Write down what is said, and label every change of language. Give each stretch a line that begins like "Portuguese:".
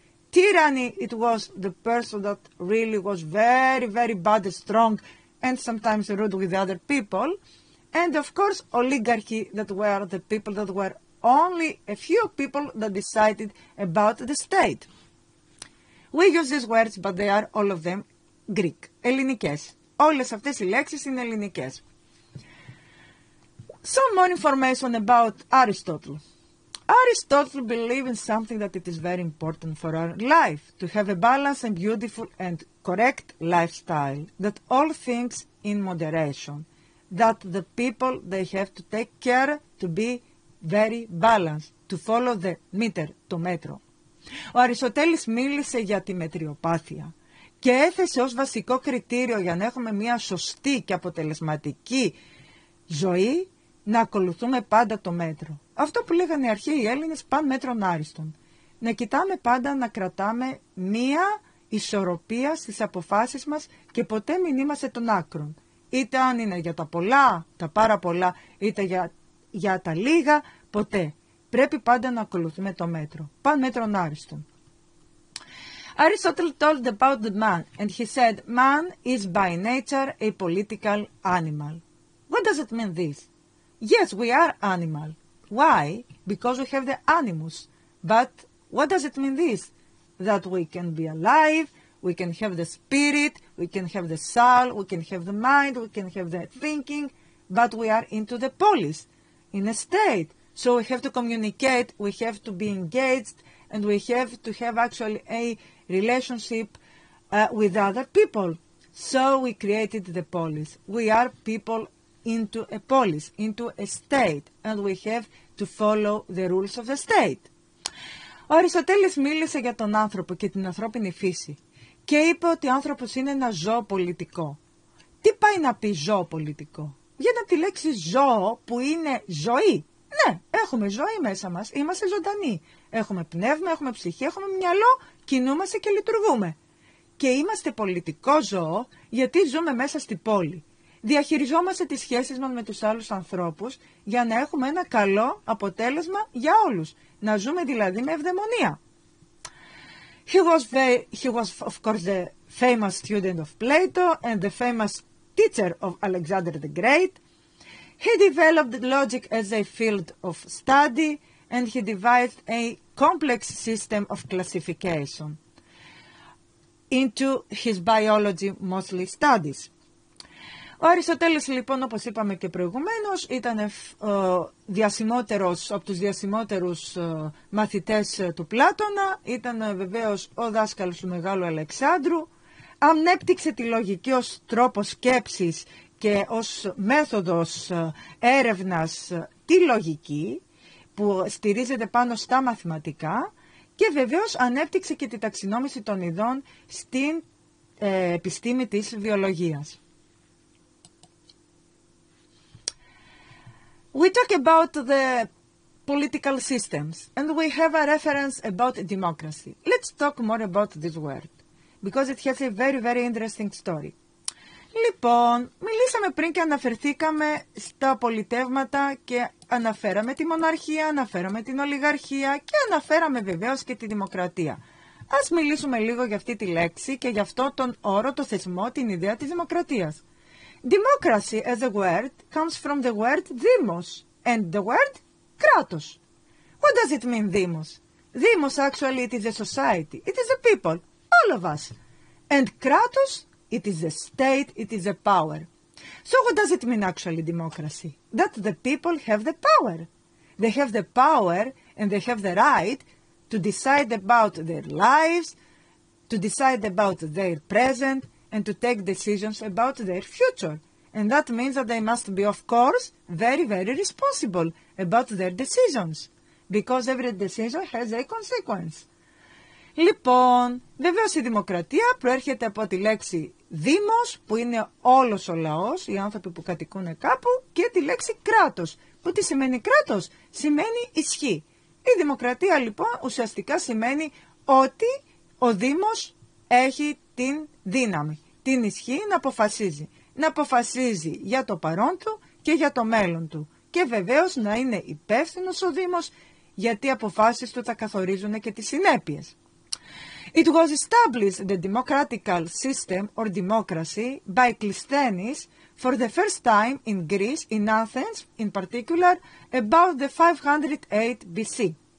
English: Tyranny, it was the person that really was very, very bad, strong, and sometimes rude with the other people. And of course, oligarchy, that were the people that were only a few people that decided about the state. We use these words, but they are all of them Greek,
Greek: ελληνικές. Όλες αυτές οι λέξεις είναι ελληνικές.
English: Some more information about Aristotle. Aristotle believed in something that it is very important for our life, to have a balanced and beautiful and correct lifestyle, that all things in moderation, that the people, they have to take care to be very balanced, to follow the meter,
Greek: το μέτρο. Ο Αριστοτέλης μίλησε για τη μετριοπάθεια και έθεσε ως βασικό κριτήριο για να έχουμε μια σωστή και αποτελεσματική ζωή, να ακολουθούμε πάντα το μέτρο. Αυτό που λέγανε οι αρχαίοι Έλληνες, παν μέτρων άριστον. Να κοιτάμε πάντα να κρατάμε μία ισορροπία στις αποφάσεις μας και ποτέ μην είμαστε των άκρων. Είτε αν είναι για τα πολλά, τα πάρα πολλά, είτε για τα λίγα, ποτέ. Πρέπει πάντα να ακολουθούμε το μέτρο. Παν μέτρων άριστον.
English: Aristotle told about the man and he said, man is by nature a political animal. What does it mean this? Yes, we are animal. Why? Because we have the animus. But what does it mean this? That we can be alive, we can have the spirit, we can have the soul, we can have the mind, we can have the thinking, but we are into the polis, in a state. So we have to communicate, we have to be engaged, and we have to have actually a relationship with other people. So we created the polis. We are people into a polis, into a state, and we have to follow the rules of the state.
Greek: Ο Αριστοτέλης μίλησε για τον άνθρωπο και την ανθρώπινη φύση και είπε ότι ο άνθρωπος είναι ένα ζώο πολιτικό. Τι πάει να πει ζώο πολιτικό? Βγαίνει από τη λέξη ζώο που είναι ζωή. Ναι, έχουμε ζωή μέσα μας, είμαστε ζωντανοί. Έχουμε πνεύμα, έχουμε ψυχή, έχουμε μυαλό, κινούμαστε και λειτουργούμε. Και είμαστε πολιτικό ζώο γιατί ζούμε μέσα στη πόλη. Διαχειριζόμαστε τις σχέσεις μας με τους άλλους ανθρώπους για να έχουμε ένα καλό αποτέλεσμα για όλους. Να ζούμε δηλαδή με ευδαιμονία.
English: He was of course the famous student of Plato and the famous teacher of Alexander the Great. He developed logic as a field of study and he devised a complex system of classification into his biology mostly studies.
Greek: Ο Αριστοτέλης, λοιπόν, όπως είπαμε και προηγουμένως, ήταν διασημότερος από τους διασημότερους μαθητές του Πλάτωνα, ήταν βεβαίως ο δάσκαλος του Μεγάλου Αλεξάνδρου, ανέπτυξε τη λογική ως τρόπο σκέψης και ως μέθοδος έρευνας τη λογική που στηρίζεται πάνω στα μαθηματικά και βεβαίως ανέπτυξε και τη ταξινόμηση των ειδών στην επιστήμη της βιολογίας.
English: We talk about the political systems and we have a reference about democracy. Let's talk more about this word because it has a very, very interesting story.
Greek: Λοιπόν, μιλήσαμε πριν και αναφερθήκαμε στα πολιτεύματα και αναφέραμε τη μοναρχία, αναφέραμε την ολιγαρχία και αναφέραμε βεβαίως και τη δημοκρατία. Ας μιλήσουμε λίγο για αυτή τη λέξη και γι' αυτό τον όρο, το θεσμό, την ιδέα της δημοκρατίας.
English: Democracy as a word comes from the word δήμος and the word κράτος. What does it mean δήμος? Δήμος actually it is a society, it is a people, all of us. And κράτος, it is a state, it is a power. So what does it mean actually democracy? That the people have the power. They have the power and they have the right to decide about their lives, to decide about their present, and to take decisions about their future. And that means that they must be, of course, very, very responsible about their decisions. Because every decision has a consequence.
Greek: Λοιπόν, βεβαίως η δημοκρατία προέρχεται από τη λέξη δήμος, που είναι όλος ο λαός, οι άνθρωποι που κατοικούν κάπου, και τη λέξη κράτος. Που τι σημαίνει κράτος? Σημαίνει ισχύ. Η δημοκρατία, λοιπόν, ουσιαστικά σημαίνει ότι ο δήμος έχει την δύναμη, την ισχύ να αποφασίζει. Να αποφασίζει για το παρόν του και για το μέλλον του. Και βεβαίως να είναι υπεύθυνος ο δήμος, γιατί οι αποφάσεις του θα καθορίζουν και τις συνέπειες.
English: It was established the democratic system or democracy by Cleisthenes for the first time in Greece, in Athens in particular, about the 508 BC.